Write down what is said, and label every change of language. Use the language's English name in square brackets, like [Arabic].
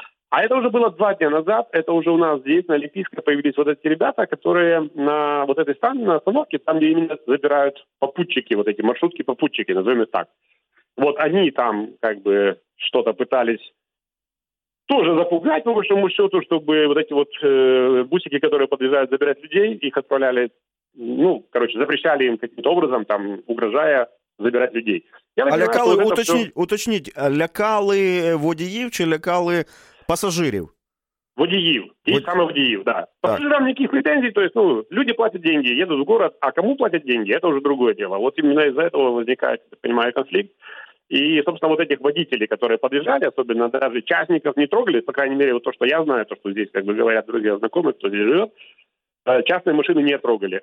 [Russian] А это уже было 2 дня назад. Это уже у нас здесь, на Липецкой, появились вот эти ребята, которые на вот этой станции, на остановке, там, где именно забирают попутчики, вот эти маршрутки-попутчики, назовем их так. Вот они там как бы что-то пытались тоже запугать, по большому счету, чтобы вот эти вот бусики, которые подъезжают забирать людей, их отправляли, ну, короче, запрещали им каким-то образом, там, угрожая забирать людей. [Ukrainian] А лякали, уточнить, лякали водіїв чи лякали пасажирів? Водіїв. И саме водіїв, да. [Russian] Пассажирам никаких претензий, то есть, ну, люди платят деньги, едут в город, а кому платят деньги, это уже другое дело. Вот именно из-за этого возникает, я понимаю, конфликт. И, собственно, вот этих водителей, которые подъезжали, особенно даже частников не трогали, по крайней мере, вот то, что я знаю, то, что здесь, как бы говорят друзья, знакомые, кто здесь живет, частные машины не трогали.